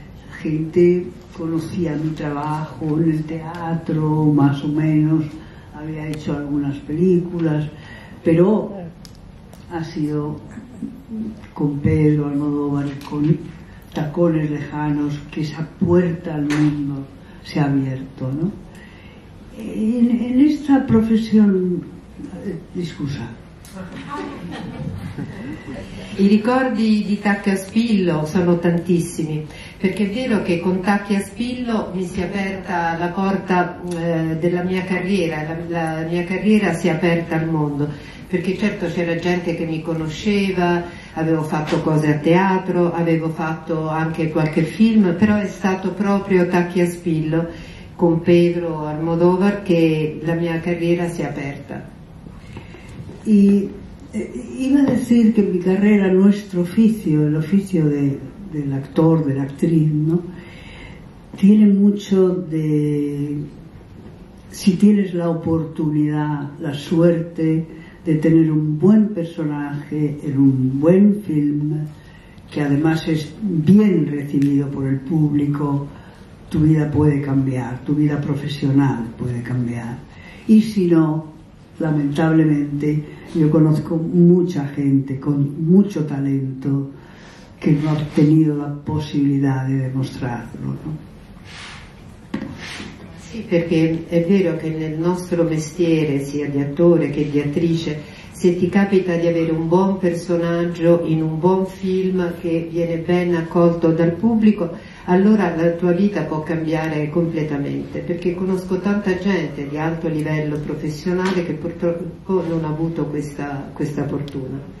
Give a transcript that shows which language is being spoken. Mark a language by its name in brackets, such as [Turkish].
[Spanish] La gente conocía mi trabajo en el teatro, más o menos, había hecho algunas películas, pero ha sido con Pedro Almodóvar, con Tacones Lejanos, que esa puerta al mundo se ha abierto, ¿no? En esta profesión, excusa. [Italian] I ricordi di Tacchi a Spillo sono tantissimi, perché è vero che con Tacchi a Spillo mi si è aperta la porta della mia carriera, la mia carriera si è aperta al mondo, perché certo c'era gente che mi conosceva, avevo fatto cose a teatro, avevo fatto anche qualche film, però è stato proprio Tacchi a Spillo con Pedro Almodóvar che la mia carriera si è aperta. [Spanish] E iba a decir [Italian] che mi carriera, il nostro oficio, il oficio dell'attore, dell'attrice, no? [Spanish] Tiene mucho de, si tienes la opportunità, la suerte de tener un buen personaje en un buen film, que además es bien recibido por el público, tu vida puede cambiar, tu vida profesional puede cambiar. Y si no, lamentablemente, yo conozco mucha gente con mucho talento que no ha tenido la posibilidad de demostrarlo, ¿no? [Italian] Sì, perché è vero che nel nostro mestiere, sia di attore che di attrice, se ti capita di avere un buon personaggio in un buon film che viene ben accolto dal pubblico, allora la tua vita può cambiare completamente, perché conosco tanta gente di alto livello professionale che purtroppo non ha avuto questa fortuna.